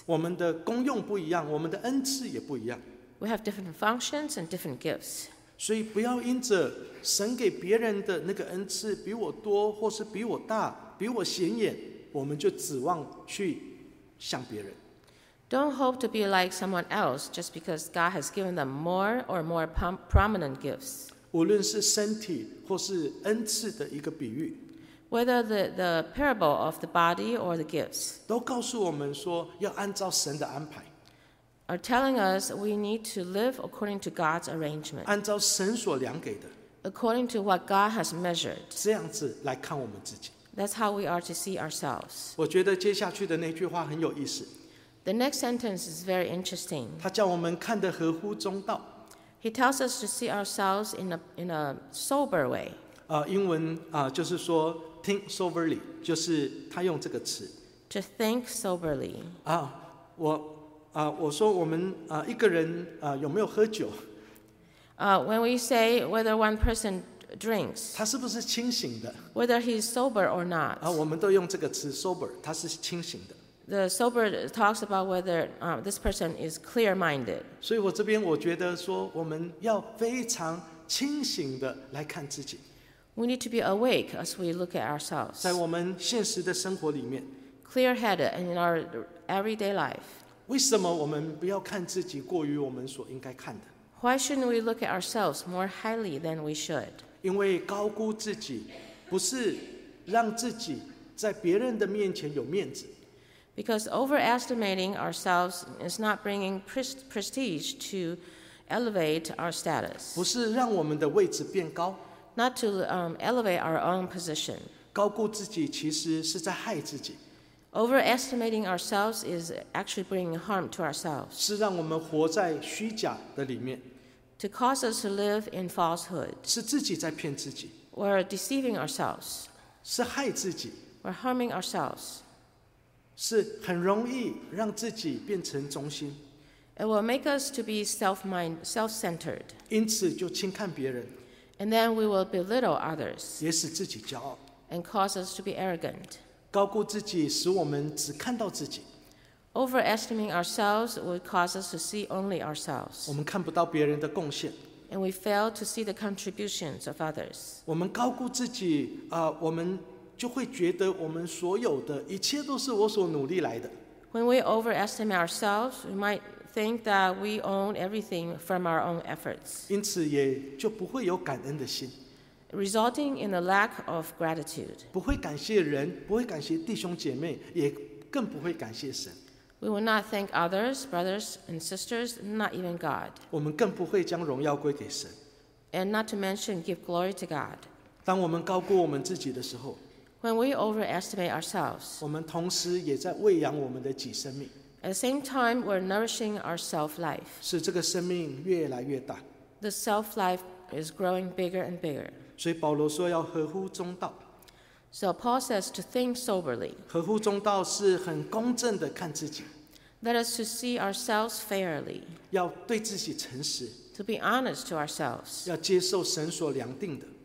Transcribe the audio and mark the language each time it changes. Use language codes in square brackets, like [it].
[zh] 我们的功用不一样，我们的恩赐也不一样。 [en] We have different functions and different gifts. [zh] 所以不要因着神给别人的那个恩赐比我多或是比我大比我显眼我们就指望去像别人。 [en] Don't hope to be like someone else just because God has given them more or more prominent gifts. [zh] 无论是身体或是恩赐的一个比喻。 [en] Whether the parable of the body or the gifts. [zh] 都告诉我们说要按照神的安排。 [en] Are telling us we need to live according to God's arrangement. [zh] 按照神所量给的。 [en] According to what God has measured. [zh] 这样子来看我们自己。 [en] That's how we are to see ourselves. [zh] 我觉得接下去的那句话很有意思。 [en] The next sentence is very interesting. [zh] 他叫我们看得合乎中道。 [en] He tells us to see ourselves in a sober way. [zh] 英文就是说 [en] think soberly, [zh] 就是他用这个词。 [en] To think soberly. [zh] 我说我们一个人有没有喝酒？ [en] When we say whether one person drinks, [zh] 他是不是清醒的？ [en] Whether he's sober or not. [zh] 我们都用这个词 sober, 他是清醒的。 [en] The sober talks about whether this person is clear-minded. [zh] 所以我这边我觉得说我们要非常清醒的来看自己。 [en] We need to be awake as we look at ourselves. [zh] 在我们现实的生活里面。 [en] Clear-headed and in our everyday life. [zh] 为什么我们不要看自己过于我们所应该看的？ [en] Why shouldn't we look at ourselves more highly than we should? [zh] 因为高估自己不是让自己在别人的面前有面子。 [en] Because overestimating ourselves is not bringing prestige to elevate our status. [zh] 不是让我们的位置变高。 [en] Not to elevate our own position. [zh] 高估自己其实是在害自己。 [en] Overestimating ourselves is actually bringing harm to ourselves. [zh] 是让我们活在虚假的里面。 [en] To cause us to live in falsehood. [zh] 是自己在骗自己。 [en] We're deceiving ourselves. [zh] 是害自己。 [en] We're harming ourselves. [zh] 是很容易让自己变成中心。 [en] It will make us to be self-centered. [zh] 因此就轻看别人。 [en] And then we will belittle others. [zh] 也使自己骄傲。 [en] And cause us to be arrogant. [zh] 高估自己使我们只看到自己。 [en] Overestimating ourselves would cause us to see only ourselves. [zh] 我们看不到别人的贡献。 [en] And we fail to see the contributions of others. [zh] 我们高估自己，我们就会觉得我们所有的一切都是我所努力来的。 [en] When we overestimate ourselves, we might think that we own everything from our own efforts. [zh] 因此也就不会有感恩的心。 [en] Resulting in a lack of gratitude. [zh] 不会感谢人，不会感谢弟兄姐妹，也更不会感谢神。 [en] We will not thank others, brothers and sisters, not even God. [zh] 我们更不会将荣耀归给神。 [en] And not to mention give glory to God. [zh] 当我们高估我们自己的时候， [en] When we overestimate ourselves, [zh] 我们同时也在喂养我们的己生命。 [en] At the same time, we're nourishing our self-life. [zh] 使这个生命越来越大。 [en] The self-life is growing bigger and bigger. [zh] 所以保罗说要合乎中道。 [en] So Paul says to think soberly. [zh] 合乎中道是很公正的看自己。 [en] That is to see ourselves fairly. [zh] 要对自己诚实。 [en] To be honest to ourselves. [zh] 要接受神所量定的。